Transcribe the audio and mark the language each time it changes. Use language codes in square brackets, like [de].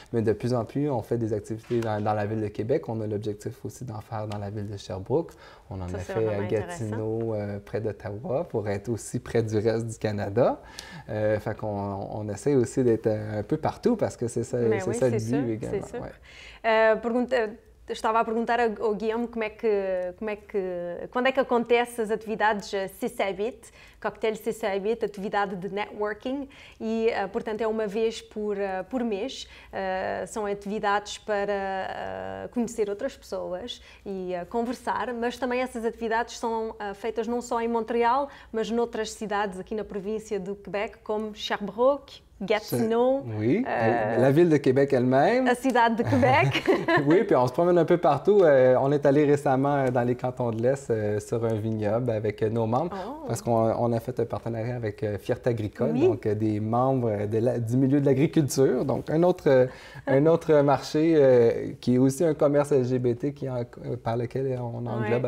[fr] Mais de plus en plus, on fait des activités dans la ville de Québec. On a l'objectif aussi d'en faire dans la ville de Sherbrooke. On en ça, a fait à Gatineau, près d'Ottawa, pour être aussi près du reste du Canada. Fait qu'on essaie aussi d'être un peu partout, parce que c'est ça le but également. C'est sûr. Ouais. [pt] Estava a perguntar ao Guillaume quando é que acontecem as atividades CC8, Cocktail CC8, atividade de networking, e, portanto, é uma vez por mês. São atividades para conhecer outras pessoas e conversar, mas também essas atividades são feitas não só em Montreal, mas noutras cidades aqui na província do Quebec, como Sherbrooke, Gatineau. [fr] Oui, la ville de Québec elle-même. La ville de Québec. Oui, puis on se promène un peu partout. On est allé récemment dans les cantons de l'Est sur un vignoble avec nos membres parce qu'on a fait un partenariat avec Fierté Agricole, oui. donc des membres du milieu de l'agriculture. Donc un autre marché qui est aussi un commerce LGBT par lequel on englobe